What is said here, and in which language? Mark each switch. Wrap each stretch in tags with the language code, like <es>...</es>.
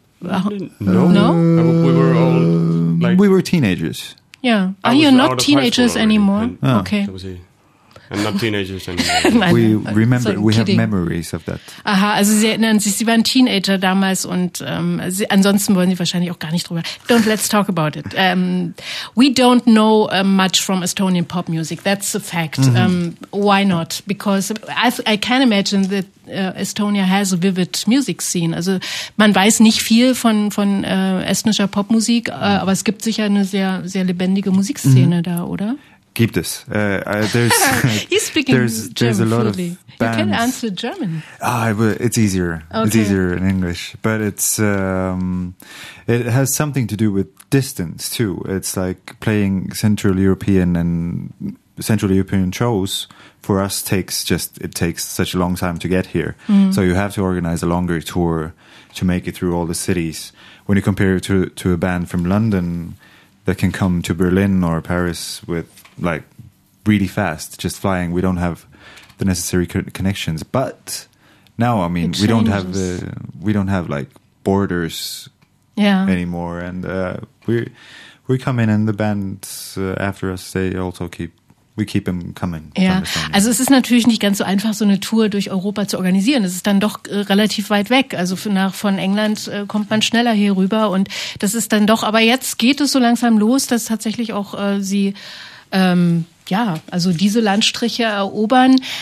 <en>No. We were old. Like, we were teenagers. Yeah. Are you not teenagers anymore? Okay. And not teenagers anymore. We have memories of that.</en> <de>Aha, also sie erinnern sich, sie waren Teenager damals und ansonsten wollen sie wahrscheinlich auch gar nicht drüber.</de> <en>Don't let's talk about it. We don't know much from Estonian pop music. That's a fact. Mm-hmm. Why not? Because I can imagine that Estonia has a vivid music scene.</en> <de>Also man weiß nicht viel von estnischer Popmusik, aber es gibt sicher eine sehr, sehr lebendige Musikszene da, oder? Gibt es.</de> <en>He's speaking there's German a lot fully. Of bands. You can answer German. It's easier. Okay. It's easier in English. But it's it has something to do with distance, too. It's like playing Central European shows for us takes such a long time to get here. Mm. So you have to organize a longer tour to make it through all the cities. When you compare it to a band from London that can come to Berlin or Paris with like really fast, just flying. We don't have the necessary connections. But now, I mean, we don't have like borders anymore. And we come in and the bands after us, they also keep them coming. Yeah.</en> <de>Also es ist natürlich nicht ganz so einfach, so eine Tour durch Europa zu organisieren. Es ist dann doch relativ weit weg. Also von England kommt man schneller hier rüber. Und das ist dann doch, aber jetzt geht es so langsam los, dass tatsächlich auch sie... also diese Landstriche erobern.</de>